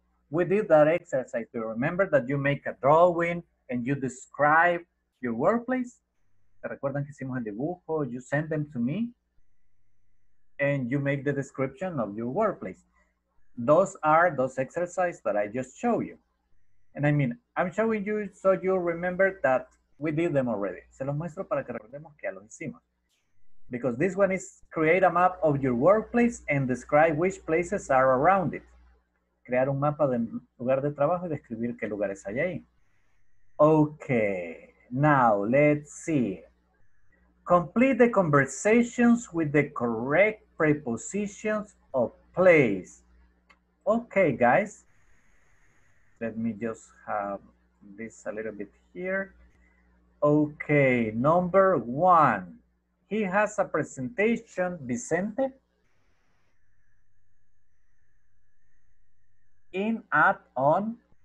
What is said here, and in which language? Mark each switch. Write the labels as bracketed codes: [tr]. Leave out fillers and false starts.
[en] We did that exercise. Do you remember that you make a drawing and you describe your workplace? [es] ¿Te recuerdan que hicimos el dibujo? [en] You send them to me and you make the description of your workplace. Those are those exercises that I just showed you. And I mean, I'm showing you so you remember that we did them already. [es] Se los muestro para que recordemos que ya lo hicimos. [en] Because this one is create a map of your workplace and describe which places are around it. [es] Crear un mapa de lugar de trabajo y describir qué lugares hay ahí. [en] Okay, now let's see. Complete the conversations with the correct prepositions of place. Okay, guys. Let me just have this a little bit here. Okay, number one. He has a presentation, Vicente, in, at, on.